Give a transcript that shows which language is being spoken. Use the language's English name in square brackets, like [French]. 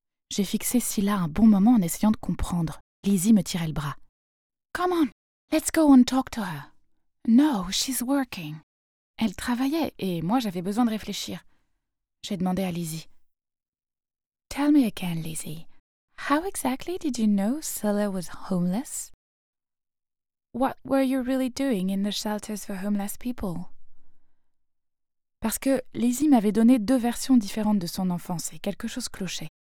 [French] J'ai fixé Scylla un bon moment en essayant de comprendre. Lizzie me tirait le bras. [English] Come on, let's go and talk to her. No, she's working. [French] Elle travaillait et moi j'avais besoin de réfléchir. J'ai demandé à Lizzie. [English] Tell me again, Lizzie. How exactly did you know Scylla was homeless? What were you really doing in the shelters for homeless people? [French] Parce que Lizzie m'avait donné deux versions différentes de son enfance et quelque chose clochait.